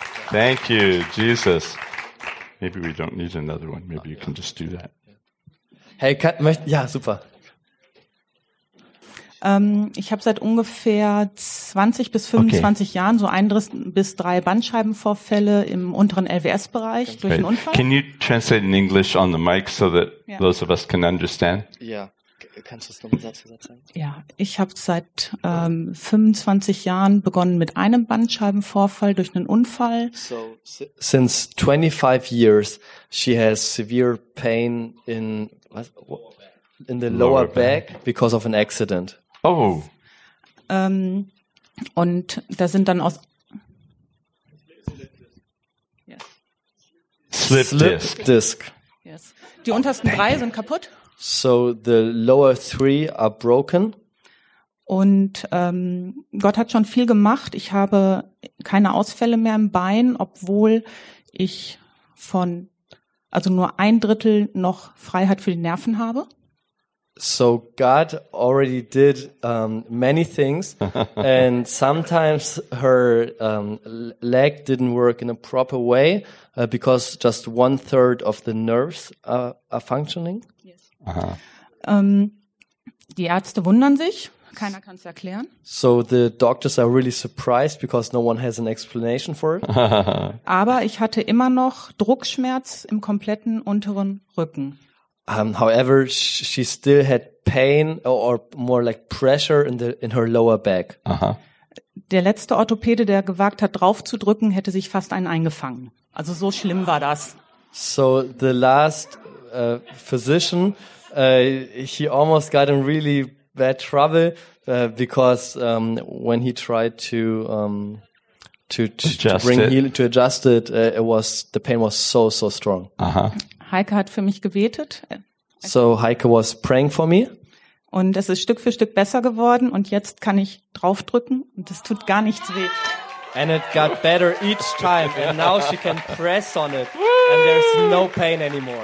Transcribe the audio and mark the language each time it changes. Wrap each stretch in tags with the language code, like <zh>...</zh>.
<en>Thank you, Jesus. Maybe we don't need another one. Maybe you can just do that. Hey, super.</en> <de>Ich habe seit ungefähr 20 bis 25 okay. Jahren so 1 bis 3 Bandscheibenvorfälle im unteren LWS-Bereich okay. durch einen Unfall.</de> <en>Can you translate in English on the mic so that those of us can understand?</en> <de>Ja, kannst du es nochmal Satz für Satz sagen? Ja, ich habe seit 25 Jahren begonnen mit einem Bandscheibenvorfall durch einen Unfall.</de> <en>So, since 25 years she has severe pain in the lower back because of an accident. Oh.</en> <de>Und da sind dann aus.</de> <en>Yes. Slip disc. Yes.</en> <de>Die untersten 3 sind kaputt.</de> <en>So the lower 3 are broken.</en> <de>Und Gott hat schon viel gemacht. Ich habe keine Ausfälle mehr im Bein, obwohl ich von also nur 1/3 noch Freiheit für die Nerven habe.</de> <en>So God already did many things, and sometimes her leg didn't work in a proper way because just 1/3 of the nerves are functioning. Yes.</en> <de>Die Ärzte wundern sich. Keiner kann es erklären.</de> <en>So the doctors are really surprised because no one has an explanation for it.</en> <de>Aber ich hatte immer noch Druckschmerz im kompletten unteren Rücken.</de> <en>However, she still had pain or more like pressure in her lower back. Aha.</en> <de>Der letzte Orthopäde, der gewagt hat, draufzudrücken, hätte sich fast einen eingefangen. Also so schlimm war das.</de> <en>So the last physician, he almost got in really bad trouble because when he tried to adjust it, the pain was so so strong. Aha.</en> <de>Heike hat für mich gebetet.</de> <en>So Heike was praying for me.</en> <de>Und es ist Stück für Stück besser geworden und jetzt kann ich draufdrücken und es tut gar nichts weh.</de> <en>And it got better each time and now she can press on it and there's no pain anymore.</en>